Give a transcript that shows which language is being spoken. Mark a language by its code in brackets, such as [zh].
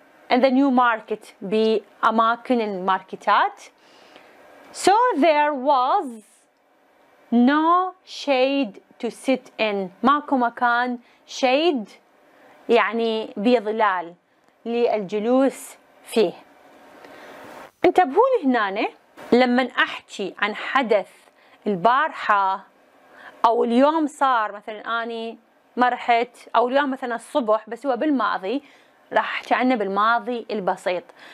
[en] and the new market [ar] بأماكن الماركتات. [en] So there was no shade to sit in. [ar] ماكو مكان shade يعني بظلال للجلوس فيه. انتبهوا لي هنا لما احكي عن حدث البارحة او اليوم صار مثلا اني مرحت او اليوم مثلا الصبح بس هو بالماضي راح احكي عنه بالماضي البسيط.